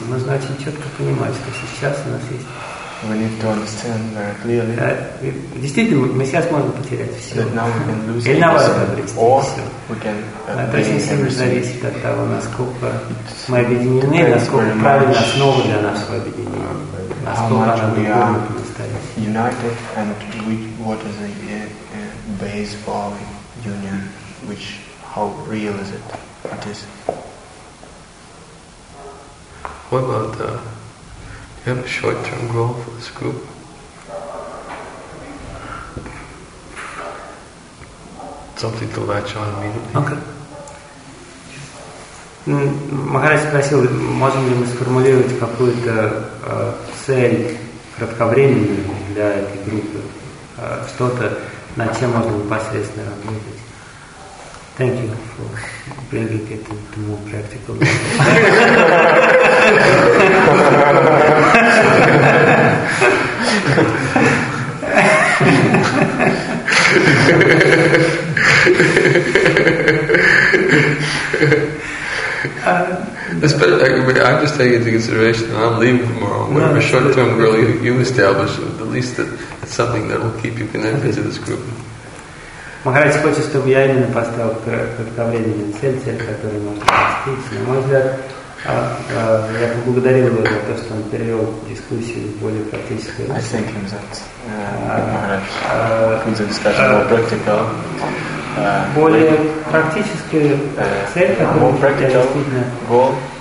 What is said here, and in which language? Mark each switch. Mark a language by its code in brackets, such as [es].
[ru] Нужно очень четко понимать, что сейчас у нас есть. [en] We need to understand very clearly. [ru] Действительно, мы сейчас можем потерять все. [en] That now we can lose [ru] или наоборот, обрести все. [en] We can [ru] это очень сильно зависит от того, насколько мы объединены, насколько правильно основа для нашего объединения. [en] How much we are united and what is the base for our union, which, how real is it? It is. What about the, do you have a short-term goal for this group? Something to latch on immediately? Okay. [ru] Махарадж спросил, можем ли мы сформулировать какую-то цель кратковременную для этой группы, что-то, над чем можно непосредственно работать. [en] Thank you for bringing it to more practical. I'm just taking into consideration that I'm leaving tomorrow. Whatever short-term goal you establish, at least it's something that will keep you connected to this group. [ru] Махарадж хочет, чтобы я именно поставил кратковременную цель, которую можно достичь. На мой взгляд, я поблагодарил его за то, что он перевел дискуссию в более практическую. [en] I thank him that Махарадж.